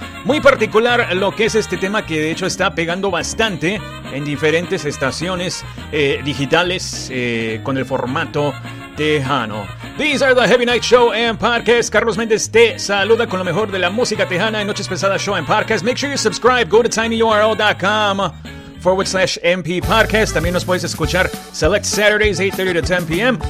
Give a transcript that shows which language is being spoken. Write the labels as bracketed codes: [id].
[es] Muy particular lo que es este tema, que de hecho está pegando bastante en diferentes estaciones digitales con el formato tejano. [en] These are the Heavy Night Show and Podcast. [es] Carlos Méndez te saluda con lo mejor de la música tejana en Noches Pesadas Show and Podcast. [en] Make sure you subscribe. Go to tinyurl.com/MP Podcast. [es] También nos puedes escuchar [en] Select Saturdays 8:30 to 10 p.m.